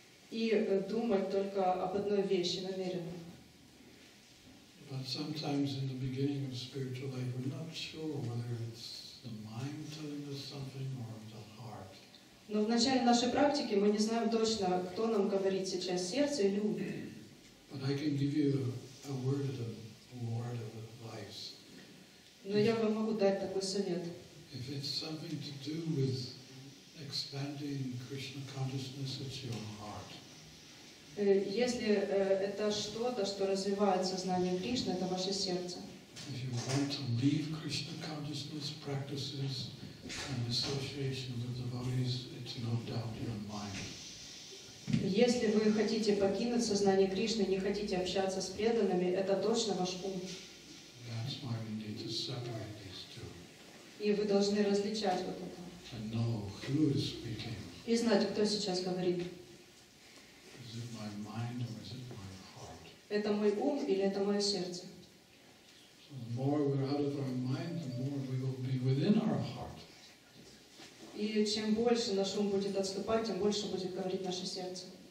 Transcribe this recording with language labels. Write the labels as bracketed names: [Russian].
[Russian] И думать только об одной вещи, намеренно. [English] But sometimes in the beginning of spiritual life, we're not sure whether it's the mind telling us something or the heart. [Russian] Но в начале нашей практики мы не знаем точно, кто нам говорит сейчас, сердце или ум. [English] But I can give you a word of advice. [Russian] Но я вам могу дать такой совет. [English] If it's something to do with expanding Krishna consciousness, it's your heart. [Russian] Если это что-то, что развивает сознание Кришны, это ваше сердце. [English] If you want to leave Krishna consciousness practices and association with devotees, it's no doubt your mind. [Russian] Если вы хотите покинуть сознание Кришны, не хотите общаться с преданными, это точно ваш ум. [English] That's why we need to separate these two. [Russian] И вы должны различать вот это. [English] And know who is speaking. [Russian] И знать, кто сейчас говорит. [English] Is it my mind or is it my heart? [Russian] Это мой ум или это мое сердце? [English] So the more we're out of our mind, the more we will be within our heart. [Russian] И чем больше наш ум будет отступать, тем больше будет говорить наше сердце.